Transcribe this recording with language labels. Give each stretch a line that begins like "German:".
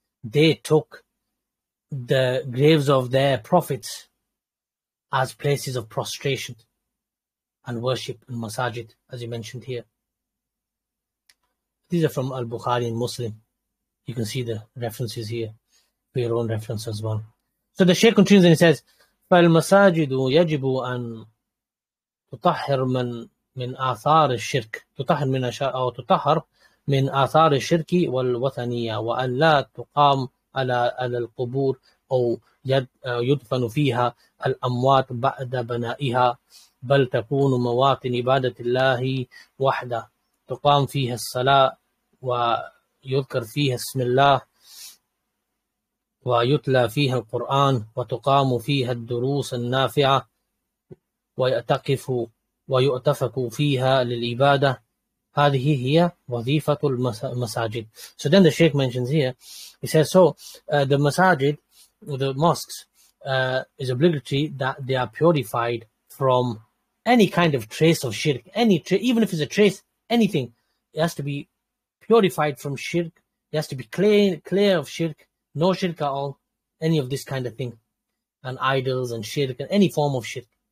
English: They took the graves of their prophets as places of prostration and worship and masajid, as you mentioned here. These are from Al-Bukhari and Muslim. You can see the references here for your own reference as well. So the Shaykh continues and he says,
Arabic: فَالْمَسَاجِدُ يَجِبُ أَن تُطَحِّرْ مَنْ من آثار الشرك تطهر من أشياء أو تطهر من آثار الشرك والوثنية وأن لا تقام على القبور أو يدفن فيها الأموات بعد بنائها بل تكون مواطن عبادة الله وحده تقام فيها الصلاة ويذكر فيها اسم الله ويتلى فيها القرآن وتقام فيها الدروس النافعة ويعتكف ويؤتفك فيها للعبادة هذه هي وظيفة المساجد.
English: So then the Shaykh mentions here, he says, so the masajid, the mosques, is obligatory that they are purified from any kind of trace of shirk, even if it's a trace, anything, it has to be purified from shirk, it has to be clear of shirk, no shirk at all, any of this kind of thing, and idols and shirk, and any form of shirk.